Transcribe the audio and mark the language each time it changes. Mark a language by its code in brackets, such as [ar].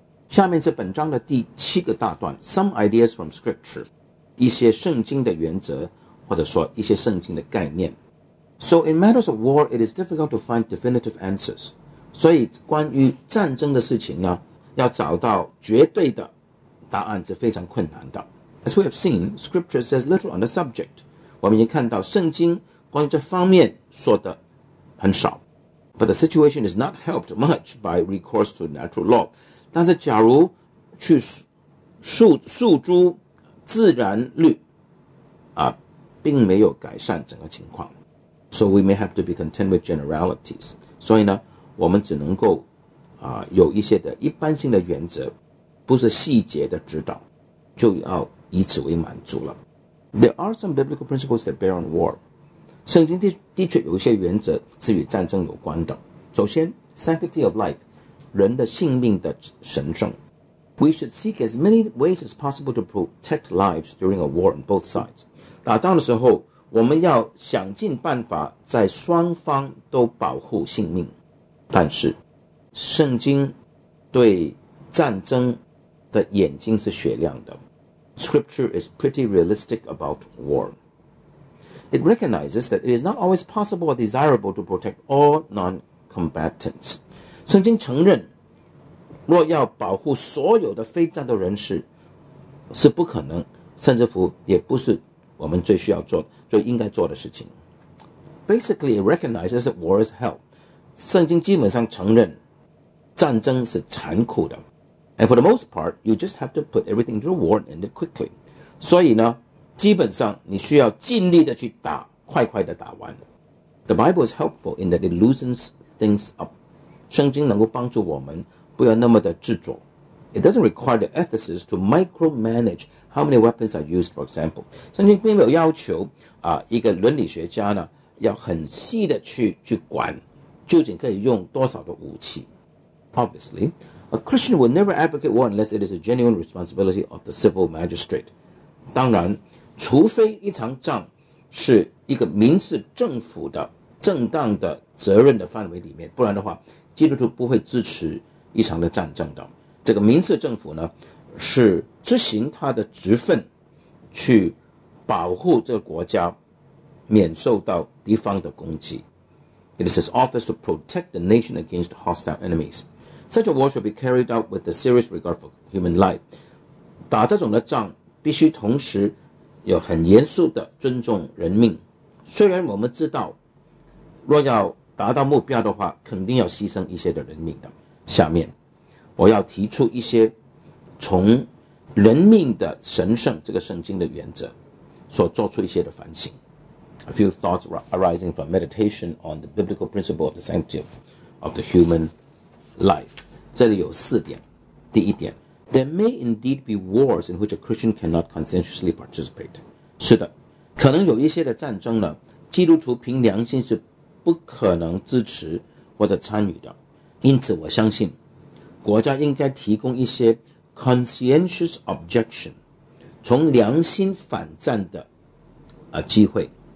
[zh] 下面是本章的第七个大段 [en] Some ideas from scripture. [zh] 一些圣经的原则或者说一些圣经的概念。 [en] So in matters of war, it is difficult to find definitive answers. [zh] 所以关于战争的事情呢，要找到绝对的答案是非常困难的。 [en] As we have seen, scripture says little on the subject. [zh] 我们已经看到圣经关于这方面说的很少。 [en] But the situation is not helped much by recourse to natural law. [zh] 但是假如去诉诸自然律并没有改善整个情况。 [en] So we may have to be content with generalities. [zh] 所以呢，我们只能够有一些的一般性的原则，不是细节的指导，就要以此为满足了。 [en] There are some biblical principles that bear on war. [zh] 圣经的确有一些原则是与战争有关的。首先 ， [en] sanctity of life， [zh] 人的性命的神圣。 [en] We should seek as many ways as possible to protect lives during a war on both sides. [zh] 打仗的时候，我们要想尽办法在双方都保护性命，但是圣经对战争的眼睛是雪亮的。 [en] Scripture is pretty realistic about war. It recognizes that it is not always possible or desirable to protect all non-combatants. [zh] 圣经承认，若要保护所有的非战斗人士，是不可能，甚至乎也不是我们最需要做最应该做的事情。 [en] Basically it recognizes that war is hell. [zh] 圣经基本上承认战争是残酷的。 [en] And for the most part, you just have to put everything into the war and end it quickly. [zh] 所以呢，基本上你需要尽力的去打，快快的打完。 [en] The Bible is helpful in that it loosens things up. [zh] 圣经能够帮助我们不要那么的执着。 [en] It doesn't require the ethicist to micromanage how many weapons are used, for example. [zh] 圣经并没有要求、一个伦理学家呢要很细的 去管究竟可以用多少的武器。 [en] Obviously, a Christian will never advocate war unless it is a genuine responsibility of the civil magistrate. [zh] 当然，除非一场仗是一个民事政府的正当的责任的范围里面，不然的话，基督徒不会支持一场的战争的。这个民事政府呢，是执行他的职分，去保护这个国家免受到敌方的攻击。 [en] It is his office to protect the nation against hostile enemies. Such a war should be carried out with a serious regard for human life. [zh] 打这种的仗必须同时有很严肃的尊重人命。虽然我们知道，若要达到目标的话，肯定要牺牲一些的人命的。下面我要提出一些从人命的神圣这个圣经的原则所做出一些的反省。 [en] A few thoughts arising from meditation on the biblical principle of the sanctity of the human life. [zh] 这里有四点。 [en] 第一点， There may indeed be wars in which a Christian cannot conscientiously participate. [zh] 是的，可能有一些的战争呢，基督徒凭良心是不可能支持或者参与的。因此我相信，国家应该提供一些 conscientious objection， 从良心反战的、机会。